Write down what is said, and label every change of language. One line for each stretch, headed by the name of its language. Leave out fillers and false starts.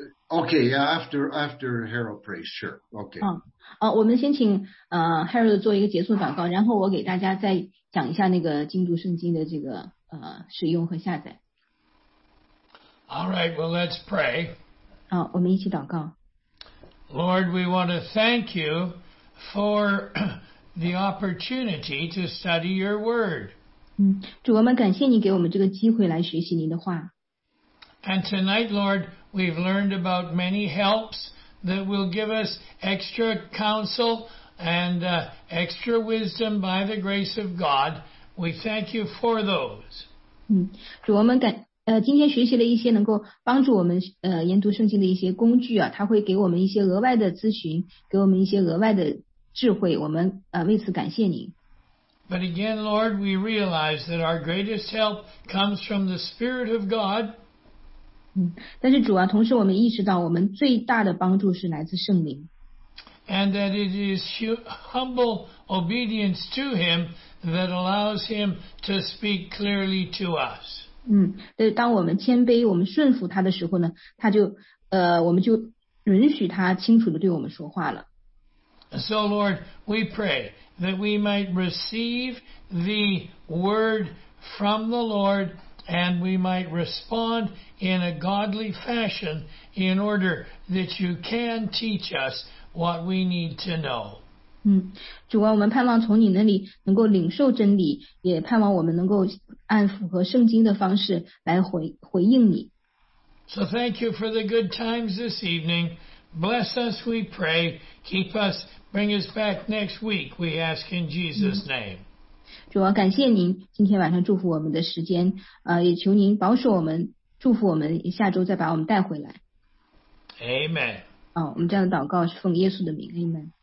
English: After Harold prays, sure. Okay.
Chinese: 我们先请Harold 做一个结束祷告，然后我给大家再讲一下那个精读圣经的这个使用和下载。
English: All right, well, let's pray.
Chinese: 我们一起祷告。
English: Lord, we want to thank you for the opportunity to study your word.
Chinese: 主，我们感谢你给我们这个机会来学习您的话。
English: And tonight, Lord, we've learned about many helps that will give us extra counsel and extra wisdom by the grace of God. We thank you for those.
Chinese: 主，我们今天学习了一些能够帮助我们研读圣经的一些工具啊，它会给我们一些额外的咨询，给我们一些额外的智慧，我们为此感谢你。
English: But again, Lord, we realize that our greatest help comes from the Spirit of God.
Chinese: 但是主啊，同时我们意识到我们最大的帮助是来自圣灵。
English: And that it is humble obedience to him that allows him to speak clearly to us.
Chinese: 当我们谦卑，我们顺服他的时候呢，他就我们就允许他清楚地对我们说话了。
English: So Lord, we pray that we might receive the word from the Lord and we might respond in a godly fashion in order that you can teach us what we need to know.
Chinese: 主啊，我们盼望从你那里能够领受真理，也盼望我们能够按符合圣经的方式来回应你。
English: So thank you for the good times this evening. Bless us, we pray. Keep us, bring us back next week, we ask in Jesus' name.
Chinese: 主啊，感谢您今天晚上祝福我们的时间，也求您保守我们，祝福我们，下周再把我们带回来。
English: Amen.
Chinese: 我们这样的祷告是奉耶稣的名 ，Amen。